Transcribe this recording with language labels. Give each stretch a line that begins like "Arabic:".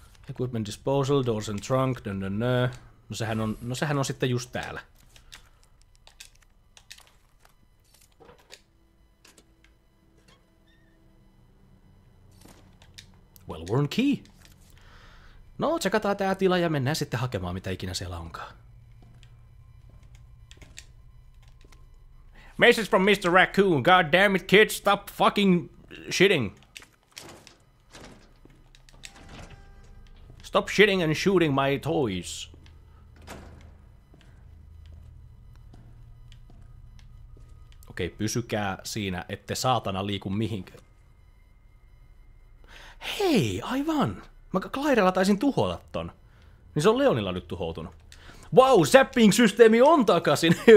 English: Equipment disposal, doors and trunk, no.
Finnish: No sehän on sitten just täällä.
English: Well-worn key.
Finnish: No, tsekataan tää tila ja mennään sitten hakemaan, mitä ikinä siellä onkaan.
English: Message from Mr. Raccoon. God damn it, kids, stop fucking shitting. Stop shitting and shooting my toys.
Finnish: Okei, pysykää siinä, ette saatana liiku mihinkään. Hei, aivan! Mä Clairella taisin tuhota ton. Niin se on Leonilla nyt tuhoutunut. Wow, zapping-systeemi on takaisin!